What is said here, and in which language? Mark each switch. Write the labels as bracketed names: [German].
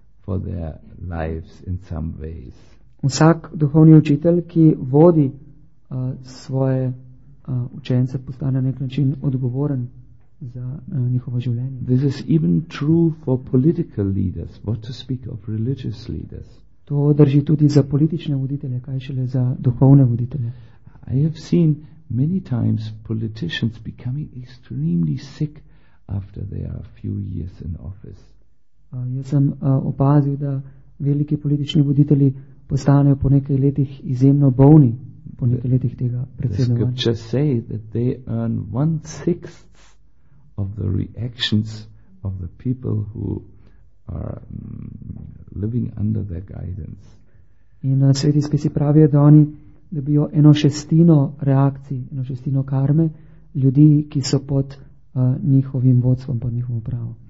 [English] for their lives in some ways. [Slovenian] Vsak duhovni učitelj, ki vodi svoje učence, postane na nek način odgovoren za njihovo življenje. [English] This is even true for political leaders, what to speak of religious leaders. [Slovenian] To drži tudi za politične voditelje, kaj šele za duhovne voditelje. [English] I have seen many times politicians becoming extremely sick after they are a few years in office. [Slovenian] Jaz sem opazil, da veliki politični voditelji postanejo po nekaj letih izjemno bolni po nekaj letih tega predsedovanja. [English] The scriptures say that they earn 1/6 of the reactions of the people who are living under their guidance. [Slovenian] In sveti spisi pravijo, da oni dobijo 1/6 reakcij, 1/6 karme ljudi, ki so pod njihovim vodstvom, pod njihovo pravo.